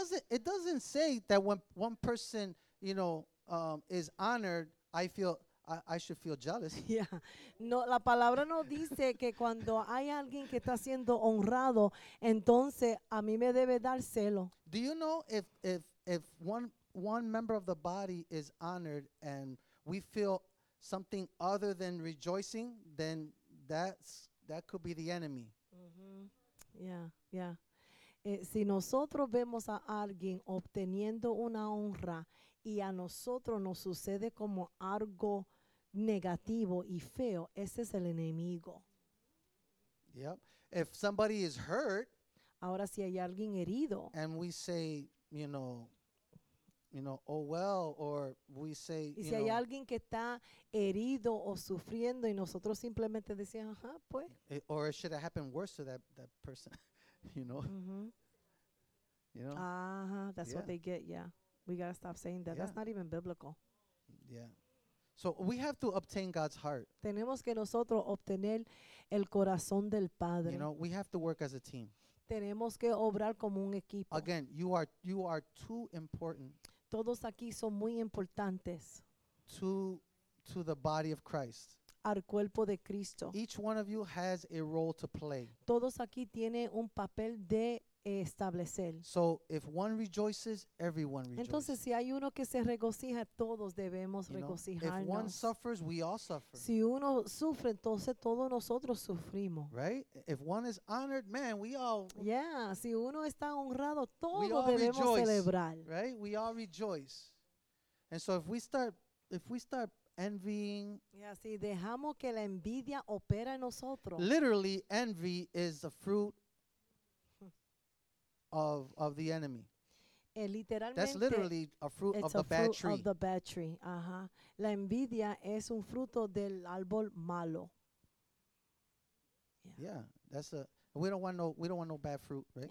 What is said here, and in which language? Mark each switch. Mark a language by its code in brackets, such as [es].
[en] It doesn't say that when one person, you know, is honored, I should feel jealous. Yeah. [es] No, la palabra no dice que cuando hay alguien que está siendo honrado, entonces a mí me debe dar celo. [en] Do you know if one member of the body is honored and we feel something other than rejoicing, then that could be the enemy. Mm-hmm. Yeah, yeah. [es] Si nosotros vemos a alguien obteniendo una honra y a nosotros nos sucede como algo negativo y feo, ese es el enemigo. [en] Yep. If somebody is hurt, [es] ahora si hay alguien herido, [en] and we say, you know, oh well, or we say, [es] y si hay alguien que está herido o sufriendo y nosotros simplemente decimos, ajá, pues. [en] Or it should have happened worse to that person, you know. Mm-hmm. You know. Uh-huh, that's what they get. Yeah. We gotta stop saying that. Yeah. That's not even biblical. Yeah. So we have to obtain God's heart. [es] Tenemos que nosotros obtener el corazón del Padre. [en] You know, we have to work as a team. [es] Tenemos que obrar como un equipo. [en] Again, you are too important. [es] Todos aquí son muy importantes. [en] To the body of Christ. [es] Al cuerpo de Cristo. [en] Each one of you has a role to play. [es] Todos aquí tiene un papel de establecer. [en] So if one rejoices, everyone rejoices. [es] Entonces, si hay uno que se regocija, todos debemos regocijarnos. [en] If one suffers, we all suffer. [es] Si uno sufre, entonces todos nosotros sufrimos. [en] Right? If one is honored, man, we all. [es] Yeah. Si uno está honrado, todos debemos celebrar. [en] Right? We all rejoice. And so if we start envying. Yeah. [es] Si dejamos que la envidia opera en nosotros. [en] Literally, envy is the fruit of the enemy. That's literally a fruit of the bad tree. It's a fruit of the bad tree. Uh-huh. [es] La envidia es un fruto del árbol malo. [en] Yeah. We don't want no bad fruit, right?